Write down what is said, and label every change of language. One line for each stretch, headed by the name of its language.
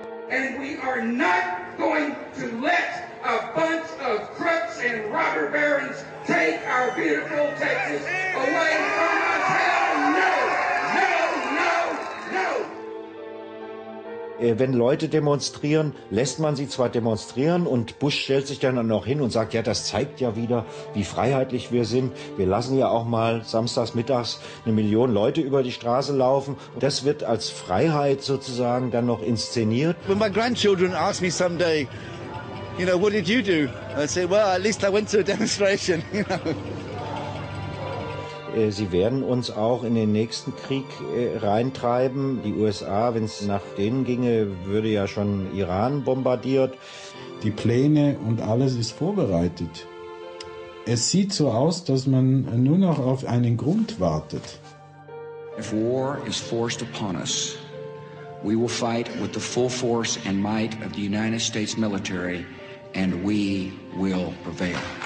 English: And we are not going to let a bunch of crooks and robber barons take our beautiful Texas away from us.
German: Wenn Leute demonstrieren, lässt man sie zwar demonstrieren und Bush stellt sich dann noch hin und sagt, ja, das zeigt ja wieder, wie freiheitlich wir sind. Wir lassen ja auch mal samstags mittags 1 Million Leute über die Straße laufen. Das wird als Freiheit sozusagen dann noch inszeniert.
English: When my grandchildren ask me someday, you know, what did you do? I say, well, at least I went to a demonstration.
German: Sie werden uns auch in den nächsten Krieg reintreiben. Die USA, wenn es nach denen ginge, würde ja schon Iran bombardiert. Die Pläne und alles ist vorbereitet. Es sieht so aus, dass man nur noch auf einen Grund wartet.
English: If war is forced upon us, we will fight with the full force and might of the United States military and we will prevail.